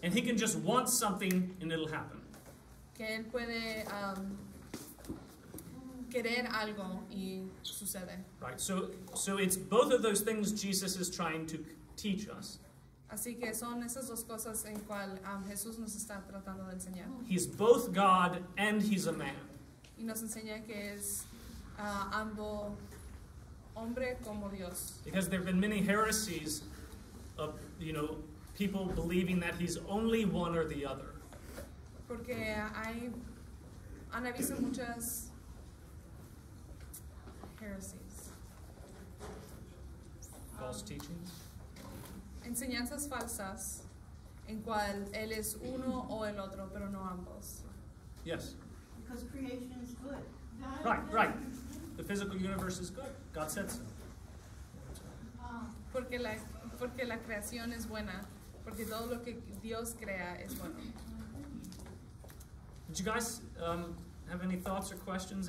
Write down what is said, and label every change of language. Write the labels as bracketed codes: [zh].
[en] And he can just want something and it'll happen. [es] Que él puede querer algo y sucede. [en] Right. So it's both of those things Jesus is trying to teach us. [es] Así que son esas dos cosas en cual Jesús nos está tratando de enseñar. [en] He's both God and he's a man. [es] Y nos enseña que es ambos hombre como Dios. [en] Because there have been many heresies of, you know, people believing that he's only one or the other. [es] Porque hay han habido muchas heresies. [en] False teachings. [es] Enseñanzas falsas en cual él es uno o el otro, pero no ambos. [en] Yes. Because creation is good. That right, is right. The physical universe is good. God said so. [es] Porque la creación es buena. Porque todo lo que Dios crea es bueno. [en] Did you guys have any thoughts or questions?